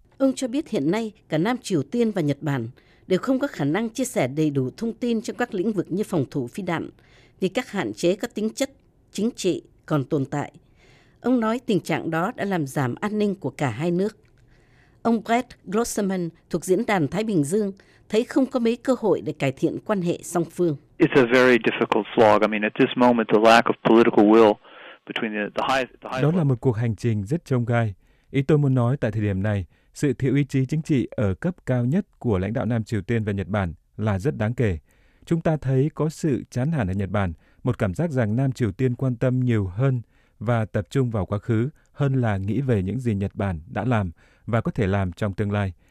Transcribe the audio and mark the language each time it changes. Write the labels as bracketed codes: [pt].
[vi] Ông cho biết hiện nay cả Nam Triều Tiên và Nhật Bản đều không có khả năng chia sẻ đầy đủ thông tin trong các lĩnh vực như phòng thủ phi đạn vì các hạn chế có tính chất chính trị còn tồn tại. Ông nói tình trạng đó đã làm giảm an ninh của cả hai nước. Ông Brett Grossman thuộc Diễn đàn Thái Bình Dương thấy không có mấy cơ hội để cải thiện quan hệ song phương. [en] It's a very difficult slog. I mean, at this moment, the lack of political will between the highest. [vi] Đó là một cuộc hành trình rất chông gai. Ý tôi muốn nói tại thời điểm này, sự thiếu ý chí chính trị ở cấp cao nhất của lãnh đạo Nam Triều Tiên và Nhật Bản là rất đáng kể. Chúng ta thấy có sự chán nản ở Nhật Bản, một cảm giác rằng Nam Triều Tiên quan tâm nhiều hơn và tập trung vào quá khứ hơn là nghĩ về những gì Nhật Bản đã làm và có thể làm trong tương lai.